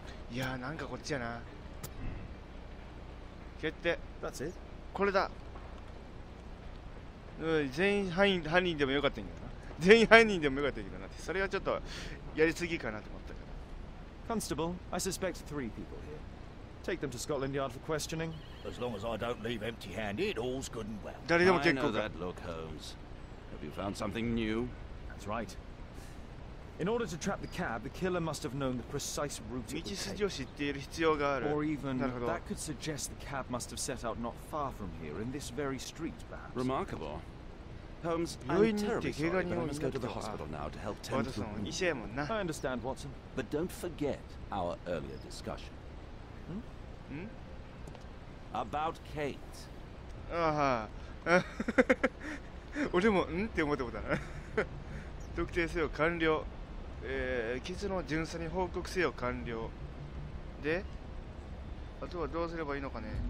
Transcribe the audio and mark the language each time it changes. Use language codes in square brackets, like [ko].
[ja] いやーなんかこっちやな。決定。 [en] That's it? [ja] これだ。全員犯人でもよかったんやけどな。それはちょっとやりすぎかなと思ったから。 [en] Constable, I suspect three people here. Take them to Scotland Yard for questioning. As long as I don't leave empty-handed, all's good and well. I know that look, Holmes. Have you found something new? That's right. In order to trap the cab, the killer must have known the precise route it would take. Or even that could suggest the cab must have set out not far from here, in this very street, perhaps. Remarkable. Holmes, I'm terribly sorry, but I must go to the hospital now to help tend to the wound. I understand, Watson. But don't forget our earlier discussion. Hmm? About Kate. [ja] ああ、俺もんって思ってもたな。特定せよ完了。傷の巡査に報告せよ完了。で、あとはどうすればいいのかね。